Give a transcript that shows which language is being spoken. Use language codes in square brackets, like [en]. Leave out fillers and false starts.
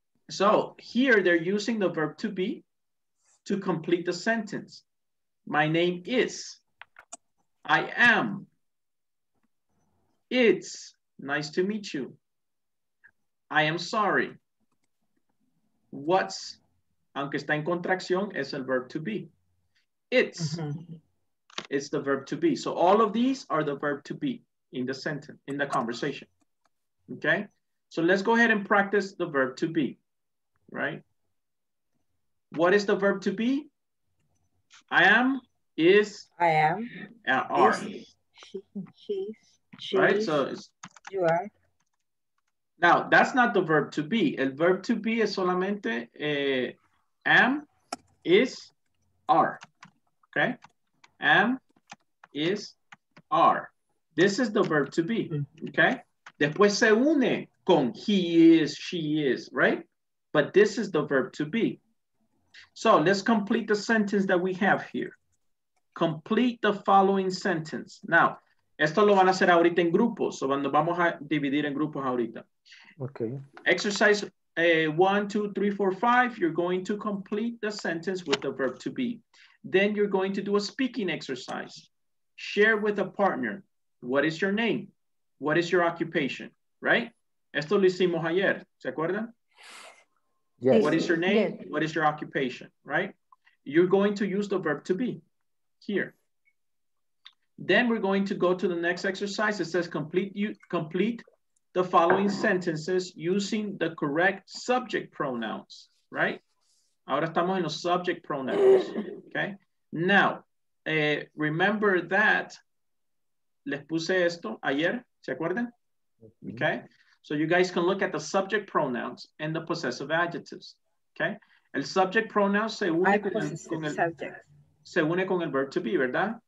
[en] So here they're using the verb to be to complete the sentence. My name is, I am, it's nice to meet you. I am sorry. [es] What's, aunque está en contracción, es el verb to be. [en] It's, it's the verb to be. So all of these are the verb to be in the sentence, in the conversation. Okay, so let's go ahead and practice the verb to be, right? What is the verb to be? I am, is, I am, are. She's, She right? So it's, you are. Now, that's not the verb to be. [es] El verb to be es solamente am, is, are. [en] Okay? Am, is, are. This is the verb to be. Okay? [es] Después se une con [en] he is, she is, right? But this is the verb to be. So let's complete the sentence that we have here. Complete the following sentence. [es] Now, esto lo van a hacer ahorita en grupos. So cuando vamos a dividir en grupos ahorita. [en] Okay. Exercise 1, 2, 3, 4, 5. You're going to complete the sentence with the verb to be. Then you're going to do a speaking exercise. Share with a partner. What is your name? What is your occupation? Right? [es] Esto lo hicimos ayer. ¿Se acuerdan? [en] Yes. What is your name? Yes. What is your occupation? Right? You're going to use the verb to be here. Then we're going to go to the next exercise. It says complete the following sentences using the correct subject pronouns, right? [es] Ahora estamos en los subject pronouns, okay? [en] Now, remember that, [es] les puse esto ayer, ¿se acuerdan? [en] Okay, so you guys can look at the subject pronouns and the possessive adjectives, okay? [es] El subject pronoun se une con el verb to be, ¿verdad?